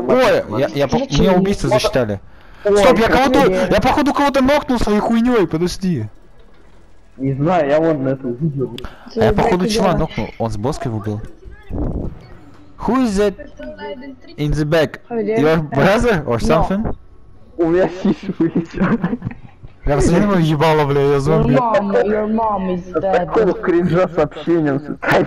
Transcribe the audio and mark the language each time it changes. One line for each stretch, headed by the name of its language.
Russian: Мне убийство засчитали. Стоп, я походу кого-то нокнул своей хуйнёй, подожди. Не знаю, я вон на это увидел. А я походу чела нокнул, он с боской убил.
English: Who is that in the back? Your brother or something?
Russian: У меня сиси вылетела. Я посмотрел на ебало, бля, я зомби.
English: Your mom is dead.
Russian: Такого кринжа с общением.